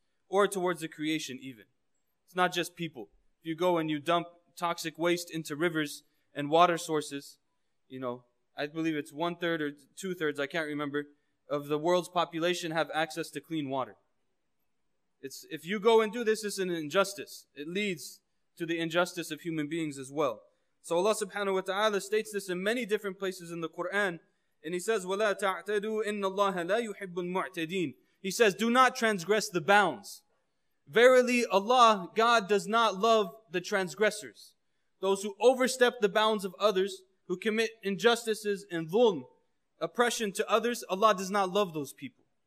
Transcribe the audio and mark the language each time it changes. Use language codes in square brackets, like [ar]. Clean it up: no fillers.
[en] Or towards the creation even. It's not just people. If you go and you dump toxic waste into rivers and water sources, you know, I believe it's 1/3 or 2/3, I can't remember, of the world's population have access to clean water. It's, if you go and do this, it's an injustice. It leads to the injustice of human beings as well. So Allah subhanahu wa ta'ala states this in many different places in the Quran. And He says, [ar] وَلَا تَعْتَدُوا إِنَّ اللَّهَ لَا يُحِبُّ الْمُعْتَدِينَ. [en] He says, do not transgress the bounds. Verily, Allah, God, does not love the transgressors. Those who overstep the bounds of others, who commit injustices and dhulm, oppression to others, Allah does not love those people.